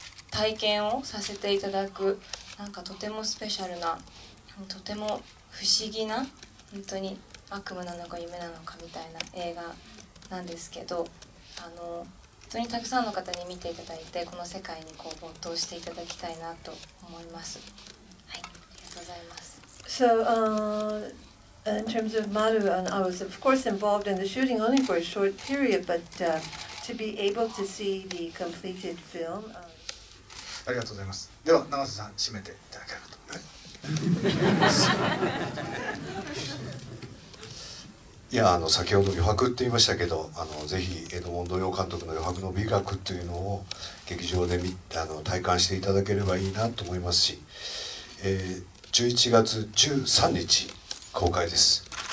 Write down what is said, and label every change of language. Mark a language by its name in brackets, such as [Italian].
[Japanese] 体験をさせていただく、なんかとてもスペシャルな、とても不思議な、本当に悪夢なのか夢なのかみたいな映画なんですけど、本当にたくさんの方に見ていただいて、この世界にこう没頭していただきたいなと思います。はい、ありがとうございます。 [English] So, in terms of Maru, I was of course involved in the shooting only for a short period, but to be able to see the completed film. [Japanese] ありがとうございます。では永瀬さん締めていただけると。いや、先ほど余白って言いましたけど、ぜひエドモンド・ヨー監督の余白の美学っていうのを劇場で見て体感していただければいいなと思いますし、11月13日。公開です。